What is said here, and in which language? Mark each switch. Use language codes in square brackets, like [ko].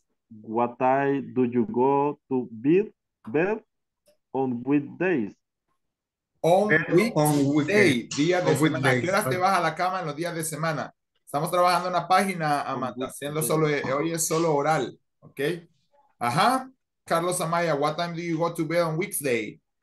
[en] What time do you go to bed on weekdays? On weekday, [es] día de semana. ¿A qué hora te vas a la cama en los días de semana? Estamos trabajando una página, Amanda, haciendo solo, hoy es solo oral, ¿ok? [en] Ajá, Carlos Amaya, what time do you go to bed on weekday?